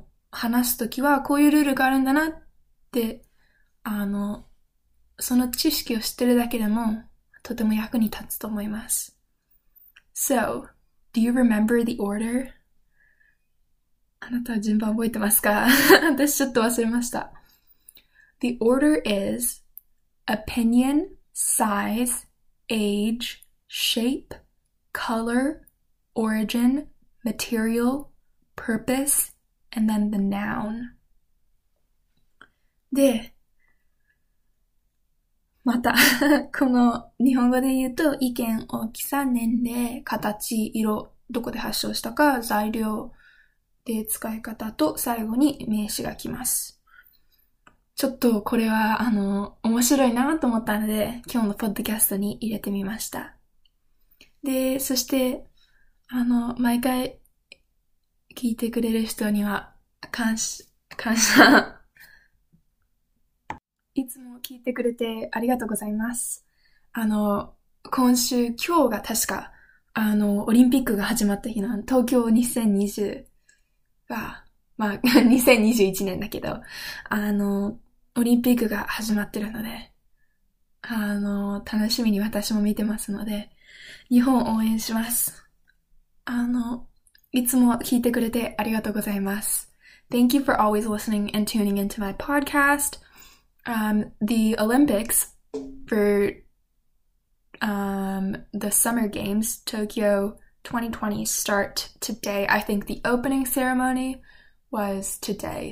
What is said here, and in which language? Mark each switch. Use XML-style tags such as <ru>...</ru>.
<ja>話すときはこういうルールがあるんだなって、その知識を知ってるだけでもとても役に立つと思います。</ja> <en>So, do you remember the order?</en> <ja>あなたは順番覚えてますか?私ちょっと忘れました。</ja> <en>The order is opinion, size, age, shape, color, origin, material, purpose, and then the noun.</en> <ja>で、また、この日本語で言うと、意見、大きさ、年齢、形、色、どこで発症したか、材料で使い方と、最後に名詞が来ます。ちょっとこれは、面白いなと思ったので、今日のポッドキャストに入れてみました。で、そして、毎回聞いてくれる人には感謝。いつも聞いてくれてありがとうございます。今週、今日が確か、オリンピックが始まった日の東京2020が、まあ、2021年だけど、オリンピックが始まってるので、楽しみに私も見てますので、日本応援します。いつも聞いてくれてありがとうございます。</ja> <en>Thank you for always listening and tuning into my podcast. The Olympics for the Summer Games Tokyo 2020 start today. I think the opening ceremony was today.</en>